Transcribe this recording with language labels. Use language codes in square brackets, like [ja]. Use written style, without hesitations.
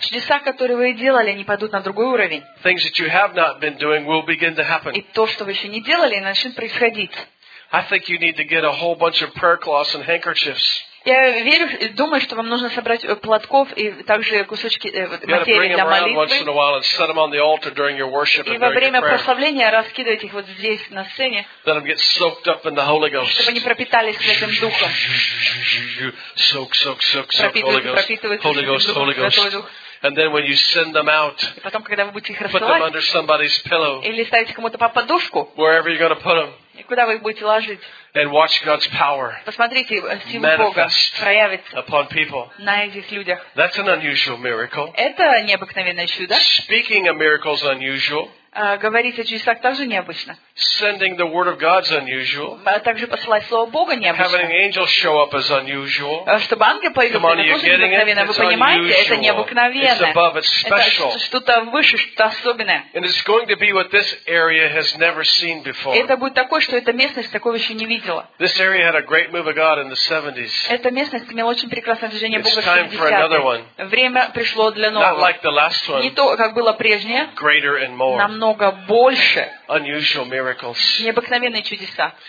[ru] Чудеса, которые вы делали, они пойдут на другой уровень. [en] Things that you have not been doing will begin to happen. [ru] И то, что вы еще не делали, начнет происходить. [en] I think you need to get a whole bunch of prayer cloths and handkerchiefs. [ru] Я верю, думаю, что вам нужно собрать платков и также кусочки материи для молитвы. И во время прославления раскидывать их вот здесь на сцене. [en] Let them get soaked up in the Holy Ghost. [ru] Чтобы они пропитались этим духом. [en] And then when you send them out, [ru] потом, когда вы будете их рассылать, [en] put them under somebody's pillow, [ru] или ставите кому-то под подушку, [en] wherever you're going to put them, [ru] и куда вы их будете ложить, [en] and watch God's power, [ru] посмотрите силу Бога проявится [en] upon people, [ru] на этих людях. [en] That's an unusual miracle. [ru] Это необыкновенное чудо. [en] Speaking of miracles unusual, [ru] говорить о чудесах также необычно. [en] Sending the word of God's unusual. [ru] Также посылать слово Бога необычно. [en] Having an angel show up is unusual. [ru] Чтобы ангел появился, это тоже необыкновенно. Вы понимаете, это необыкновенно. [en] It's above, it's special. [ru] Это что-то выше, что-то особенное. [en] And it's going to be what this area has never seen before. [ru] Это будет такое, что эта местность такого еще не видела. [en] This area had a great move of God in the 70s. [ru] Эта местность имела очень прекрасное движение Бога в [en] 70-х. It's time for another one. [ru] Время пришло для нового. [en] Not like the last one. [ru] Не то, как было прежнее. [en] Greater and more. [ru] Намного больше. [en] Unusual miracles. [ru] Необыкновенные чудеса.